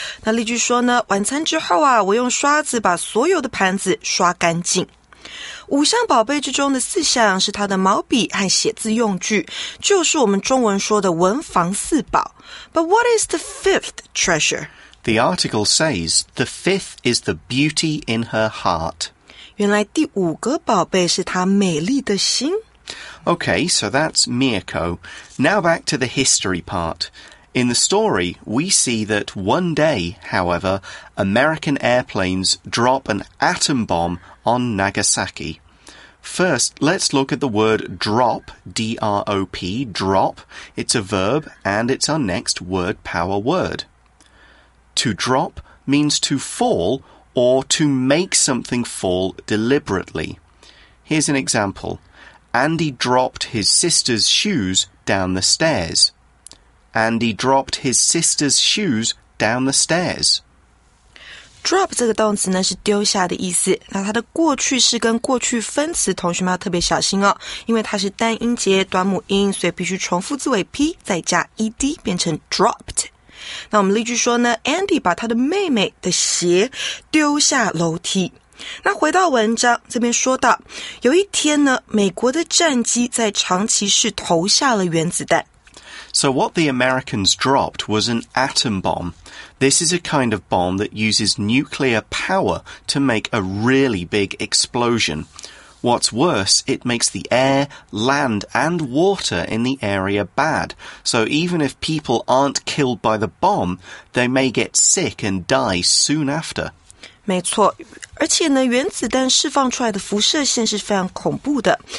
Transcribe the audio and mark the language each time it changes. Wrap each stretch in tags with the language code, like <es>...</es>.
<zh>那例句说呢，晚餐之后啊，我用刷子把所有的盘子刷干净。五项宝贝之中的四项是它的毛笔和写字用具，就是我们中文说的文房四宝。</zh> <en>But what is the 5th treasure? The article says the 5th is the beauty in her heart.</en> <zh>原来第五个宝贝是她美丽的心。</zh> <en>Okay, so that's Miyako. Now back to the history part. In the story, we see that one day, however, American airplanes drop an atom bomb on Nagasaki. First, let's look at the word drop, D-R-O-P, drop. It's a verb, and it's our next word power word. To drop means to fall or to make something fall deliberately. Here's an example. Andy dropped his sister's shoes down the stairs. Andy dropped his sister's shoes down the stairs.</en> <zh>Drop 这个动词呢是丢下的意思。那它的过去式跟过去分词同学们要特别小心哦。因为它是单音节短母音所以必须重复字尾 P 再加 ED 变成 dropped。那我们例句说呢 ,Andy 把他的妹妹的鞋丢下楼梯。那回到文章这边说到有一天呢美国的战机在长崎市投下了原子弹。</zh> <en>So what the Americans dropped was an atom bomb. This is a kind of bomb that uses nuclear power to make a really big explosion. What's worse, it makes the air, land, and water in the area bad. So even if people aren't killed by the bomb, they may get sick and die soon after.</en> <zh>没错，而且呢，原子弹释放出来的辐射线是非常恐怖的。</zh>